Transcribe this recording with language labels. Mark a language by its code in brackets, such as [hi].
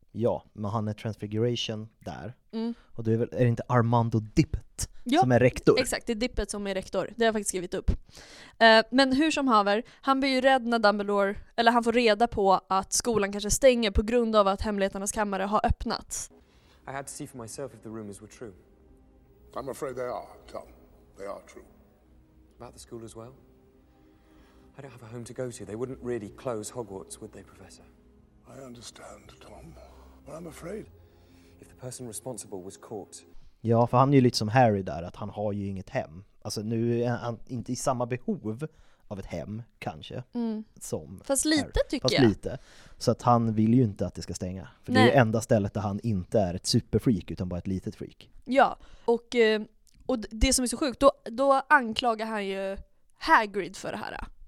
[sv] Ja, men han är Transfiguration där. Mm. Och är det inte Armando Dippet som är rektor? Exakt, det är Dippet som är rektor. Det har jag faktiskt skrivit upp. Men hur som haver, han blir ju rädd när Dumbledore, eller han får reda på att skolan kanske stänger på grund av att hemligheternas kammare har öppnats. [en] I had to see for myself if the rumors were true. I'm afraid they are, Tom. They are true. About the school as well? I don't have a home to go to. They wouldn't really close Hogwarts, would they, Professor? I understand, Tom. But I'm afraid if the person responsible was caught. [sv] Ja, för han är ju lite som Harry där, att han har ju inget hem. Alltså nu är han inte i samma behov av ett hem, kanske. Mm. Som fast lite, Harry. Tycker fast jag. Fast lite. Så att han vill ju inte att det ska stänga. För Nej. Det är ju enda stället där han inte är ett superfreak, utan bara ett litet freak. Ja, och det som är så sjukt, då anklagar han ju Hagrid för det här.